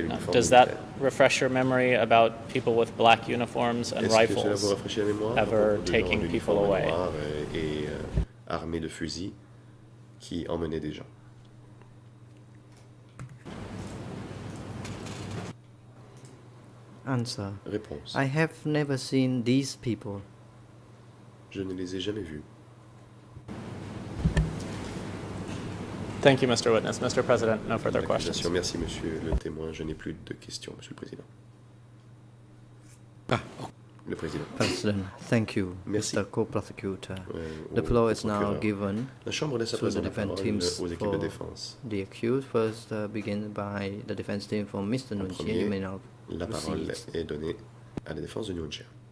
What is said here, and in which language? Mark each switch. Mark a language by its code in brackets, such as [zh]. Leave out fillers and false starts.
[en] Does that refresh your memory about people with black uniforms and rifles ever taking people away? [fr] Et armés de fusils qui emmenaient des gens. [en] Answer. [fr] Réponse. [en] I have never seen these people. [fr] Je ne les ai jamais vus. [en] Thank you, Mr. Witness. Mr. President, no further questions. [fr] Merci, Monsieur le Témoin. Je n'ai plus de questions, Monsieur le Président. le président. [en] President, thank you, merci. Mr. Co-prosecutor. The floor is now given [fr] la chambre laisse [en] to the defense teams [fr] for de défense. [en] The accused. First, begin by the defense team for Mr. Nguyen. You may now proceed. [fr] La parole est donnée à la défense de Nguyen.